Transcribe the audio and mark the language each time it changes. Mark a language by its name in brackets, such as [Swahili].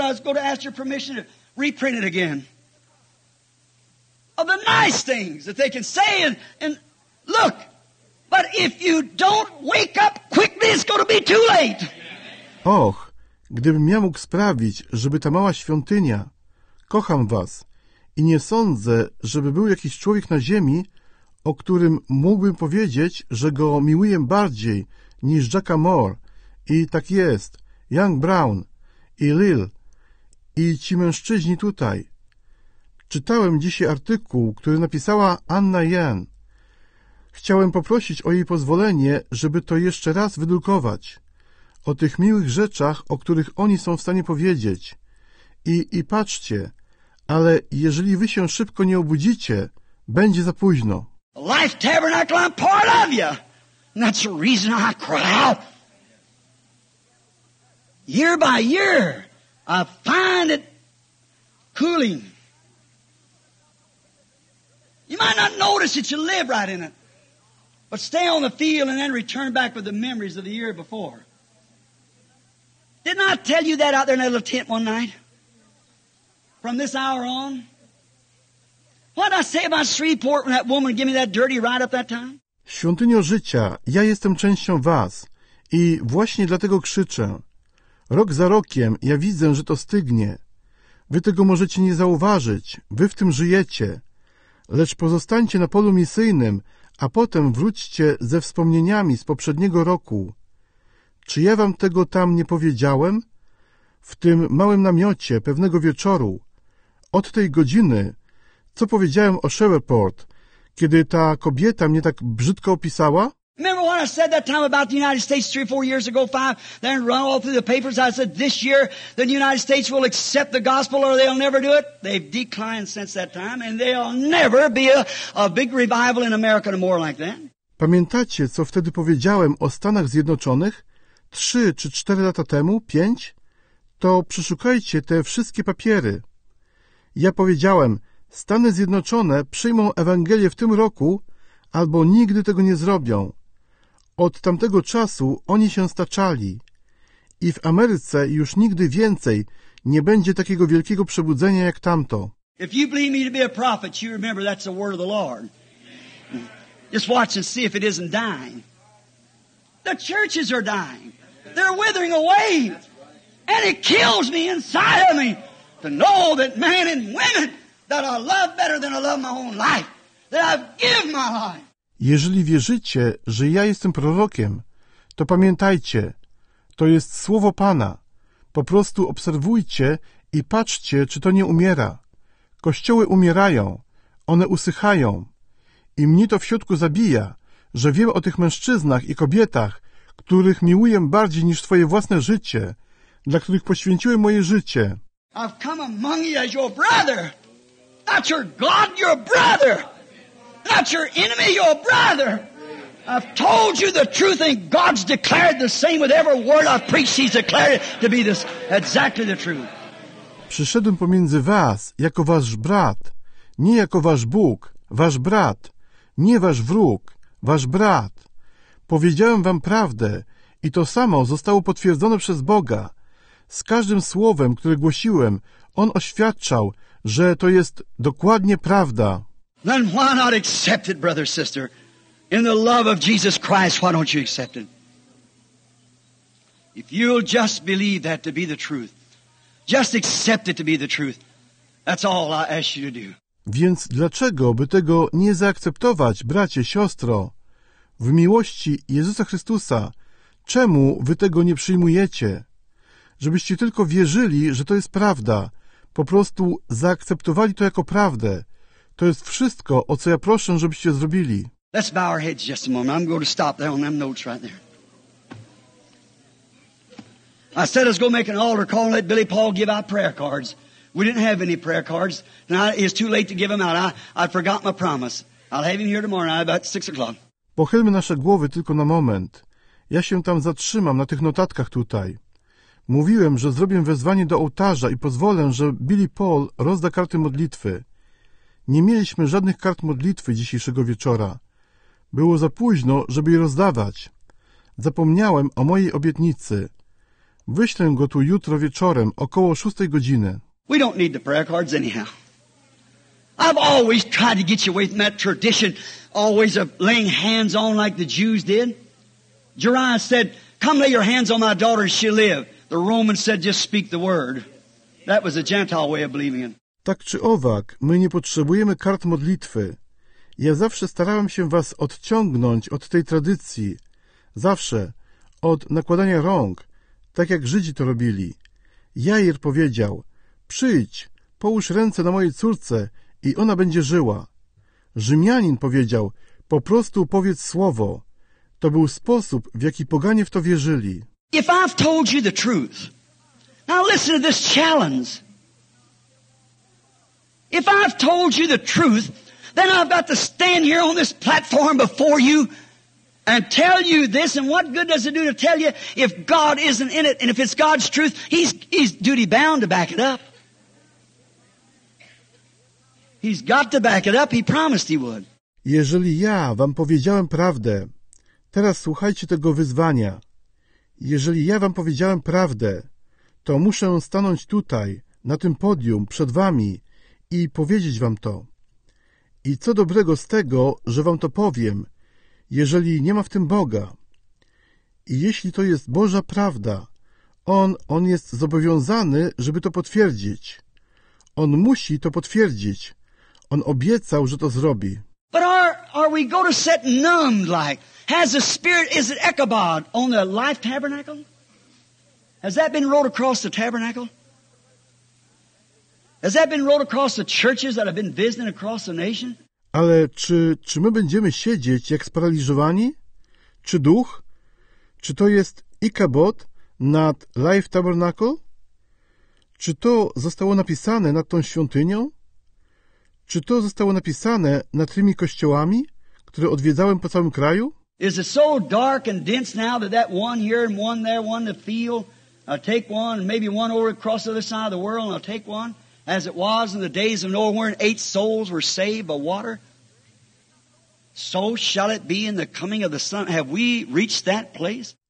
[English] I was going to ask your permission to reprint it again. Of the nice things that they can say and look. But if you don't wake up quickly, it's going to be too late. [Polish] Och, gdybym ja mógł sprawić, żeby ta mała świątynia, kocham was i nie sądzę, żeby był jakiś człowiek na ziemi, o którym mógłbym powiedzieć, że go miłuję bardziej niż Jacka Moore. I tak jest. Young Brown i Lil i ci mężczyźni tutaj. Czytałem dzisiaj artykuł, który napisała Anna Yen. Chciałem poprosić o jej pozwolenie, żeby to jeszcze raz wydrukować. O tych miłych rzeczach, o których oni są w stanie powiedzieć. I patrzcie, ale jeżeli wy się szybko nie obudzicie, będzie za późno. [English] Life tabernacle, I'm part of you. That's the reason I cry out. Year by year, I find it cooling. You might not notice that you live right in it. But stay on the field and then return back with the memories of the year before. Didn't I tell you that out there in that little tent one night? From this hour on? What did I say about Shreveport when that woman gave me that dirty ride up that time? [Polish] Świątynio życia, ja jestem częścią was. I właśnie dlatego krzyczę. Rok za rokiem ja widzę, że to stygnie. Wy tego możecie nie zauważyć. Wy w tym żyjecie. Lecz pozostańcie na polu misyjnym, a potem wróćcie ze wspomnieniami z poprzedniego roku. Czy ja wam tego tam nie powiedziałem? W tym małym namiocie pewnego wieczoru. Od tej godziny, co powiedziałem o Shreveport, kiedy ta kobieta mnie tak brzydko opisała? [English] Remember when I said that time about the United States 3 or 4 years ago, 5, then run all through the papers, I said, this year the United States will accept the gospel or they'll never do it. They've declined since that time and they'll never be a big revival in America no more like that. [Polish] Pamiętacie, co wtedy powiedziałem o Stanach Zjednoczonych? 3 czy 4 lata temu? 5? To przeszukajcie te wszystkie papiery. Ja powiedziałem, Stany Zjednoczone przyjmą Ewangelię w tym roku, albo nigdy tego nie zrobią. Od tamtego czasu oni się staczali. I w Ameryce już nigdy więcej nie będzie takiego wielkiego przebudzenia jak tamto. [English] If you believe me to be a prophet, you remember that's the word of the Lord. Just watch and see if it isn't dying. The churches are dying. They're withering away. And it kills me inside of me to know that men and women that I love better than I love my own life, that I've given my life. [Polish] Jeżeli wierzycie, że ja jestem prorokiem, to pamiętajcie, to jest słowo Pana. Po prostu obserwujcie i patrzcie, czy to nie umiera. Kościoły umierają, one usychają. I mnie to w środku zabija, że wiem o tych mężczyznach i kobietach, których miłuję bardziej niż twoje własne życie, dla których poświęciłem moje życie. [English] I've come among you as your brother, not your God, your brother. Not your enemy, your brother. I've told you the truth and God's declared the same with every word I've preached. He's declared it to be this, exactly the truth. [Polish] Przyszedłem pomiędzy was jako wasz brat, nie jako wasz Bóg, wasz brat, nie wasz wróg, wasz brat. Powiedziałem wam prawdę i to samo zostało potwierdzone przez Boga. Z każdym słowem, które głosiłem, on oświadczał, że to jest dokładnie prawda. [English] Then why not accept it, brother, sister? In the love of Jesus Christ, why don't you accept it? If you'll just believe that to be the truth, just accept it to be the truth, that's all I ask you to do. [Polish] Więc dlaczego by tego nie zaakceptować, bracie, siostro? W miłości Jezusa Chrystusa, czemu wy tego nie przyjmujecie? Żebyście tylko wierzyli, że to jest prawda, po prostu zaakceptowali to jako prawdę. To jest wszystko, o co ja proszę, żebyście zrobili. [English] Let's bow our heads just a moment. I'm going to stop there on them notes right there. I said let's go make an altar call and let Billy Paul give out prayer cards. We didn't have any prayer cards. Now it's too late to give them out. I forgot my promise. I'll have him here tomorrow night about 6 o'clock. [Polish] Pochylmy nasze głowy tylko na moment. Ja się tam zatrzymam na tych notatkach tutaj. Mówiłem, że zrobię wezwanie do ołtarza i pozwolę, że Billy Paul rozda karty modlitwy. Nie mieliśmy żadnych kart modlitwy dzisiejszego wieczora. Było za późno, żeby je rozdawać. Zapomniałem o mojej obietnicy. Wyślę go tu jutro wieczorem, około 6 godziny. [English] We don't need the prayer cards anyhow. I've always tried to get you away from that tradition, always of laying hands on like the Jews did. Jeremiah said, come lay your hands on my daughter and she'll live. The Romans said, just speak the word. That was a Gentile way of believing in. [Polish] Tak czy owak, my nie potrzebujemy kart modlitwy. Ja zawsze starałem się was odciągnąć od tej tradycji. Zawsze. Od nakładania rąk. Tak jak Żydzi to robili. Jair powiedział, przyjdź, połóż ręce na mojej córce i ona będzie żyła. Rzymianin powiedział, po prostu powiedz słowo. To był sposób, w jaki poganie w to wierzyli. [English] If I've told you the truth, now listen to this challenge. If I've told you the truth, then I've got to stand here on this platform before you and tell you this. And what good does it do to tell you if God isn't in it? And if it's God's truth, he's duty bound to back it up. He's got to back it up. He promised he would. [Polish] Jeżeli ja wam powiedziałem prawdę, teraz słuchajcie tego wyzwania. Jeżeli ja wam powiedziałem prawdę, to muszę stanąć tutaj, na tym podium, przed wami i powiedzieć wam to. I co dobrego z tego, że wam to powiem, jeżeli nie ma w tym Boga? I jeśli to jest Boża prawda, On jest zobowiązany, żeby to potwierdzić. On musi to potwierdzić. On obiecał, że to zrobi. [English] But are we go to set numbed like? Has the spirit, is it Ichabod on the life tabernacle? Has that been wrote across the tabernacle? Has that been wrote across the churches that have been visiting across the nation? [Polish] Ale czy my będziemy siedzieć jak sparaliżowani? Czy duch? Czy to jest Ichabod nad [English] life tabernacle? [Polish] Czy to zostało napisane nad tą świątynią? Czy to zostało napisane nad tymi kościołami, które odwiedzałem po całym kraju? [English] Is it so dark and dense now that one here and one there, one in the field, I'll take one, and maybe one over across the other side of the world, and I'll take one, as it was in the days of Noah, when 8 souls were saved by water? So shall it be in the coming of the Son. Have we reached that place?